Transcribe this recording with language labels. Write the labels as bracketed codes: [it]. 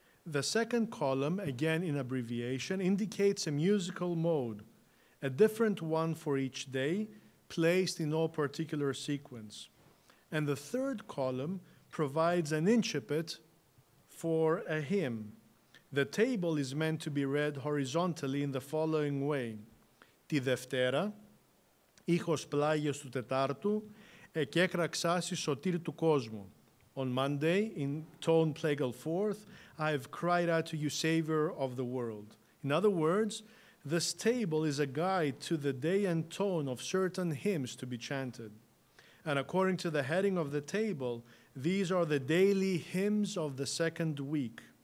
[en] The second column, again in abbreviation, indicates a musical mode, a different one for each day, placed in no particular sequence. And the third column provides an incipit for a hymn. The table is meant to be read horizontally in the following way. [el] Τη Δευτέρα, ήχος πλάγιος του Τετάρτου, εκέκραξάσι σωτήρ του κόσμου. [en] On Monday, in tone plagal fourth, I have cried out to you, Savior of the world. In other words, this table is a guide to the day and tone of certain hymns to be chanted. And according to the heading of the table, these are the daily hymns of the second week.